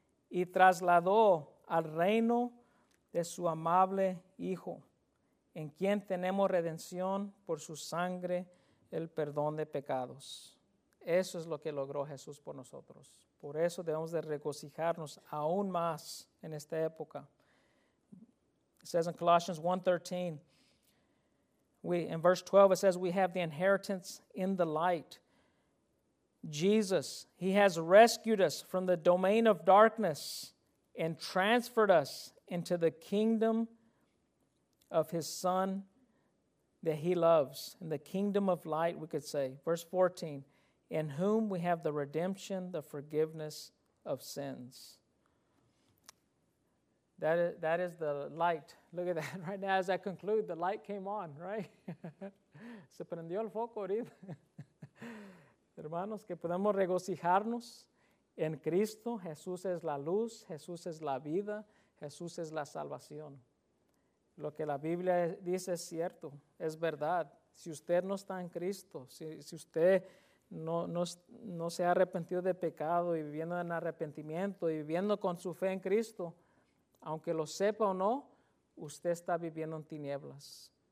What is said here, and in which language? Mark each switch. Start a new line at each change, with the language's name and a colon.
Spanish: y trasladó al reino de su amable Hijo, en quien tenemos redención por su sangre, el perdón de pecados. Eso es lo que logró Jesús por nosotros. Por eso debemos de regocijarnos aún más en esta época.
English: It says in Colossians 1:13, In verse 12, it says, we have the inheritance in the light. Jesus, he has rescued us from the domain of darkness and transferred us into the kingdom of his Son that he loves. In the kingdom of light, we could say. Verse 14, in whom we have the redemption, the forgiveness of sins. That is the light. Look at that right now. As I conclude, the light came on, right?
Spanish: Se prendió el foco ahorita. Hermanos, que podamos regocijarnos en Cristo. Jesús es la luz. Jesús es la vida. Jesús es la salvación. Lo que la Biblia dice es cierto. Es verdad. Si usted no está en Cristo, si usted no se ha arrepentido de pecado y viviendo en arrepentimiento y viviendo con su fe en Cristo, aunque lo sepa o no, usted está viviendo en tinieblas.